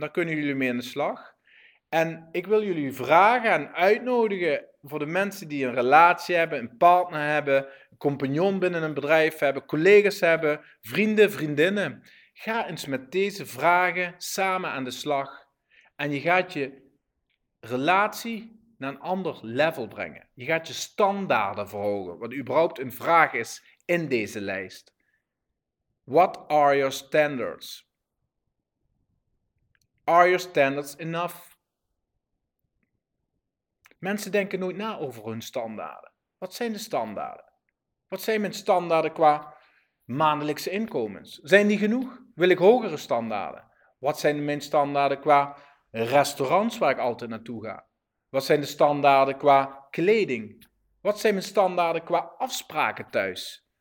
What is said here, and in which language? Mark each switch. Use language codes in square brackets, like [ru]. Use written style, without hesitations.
[nl] Daar kunnen jullie mee aan de slag. En ik wil jullie vragen en uitnodigen voor de mensen die een relatie hebben, een partner hebben, een compagnon binnen een bedrijf hebben, collega's hebben, vrienden, vriendinnen. Ga eens met deze vragen samen aan de slag. En je gaat je relatie naar een ander level brengen. Je gaat je standaarden verhogen, wat überhaupt een vraag is in deze lijst. [en] What are your standards? Are your standards enough? [nl] Mensen denken nooit na over hun standaarden. Wat zijn de standaarden? Wat zijn mijn standaarden qua maandelijkse inkomens? Zijn die genoeg? Wil ik hogere standaarden? Wat zijn mijn standaarden qua restaurants waar ik altijd naartoe ga? Wat zijn de standaarden qua kleding? Wat zijn mijn standaarden qua afspraken thuis?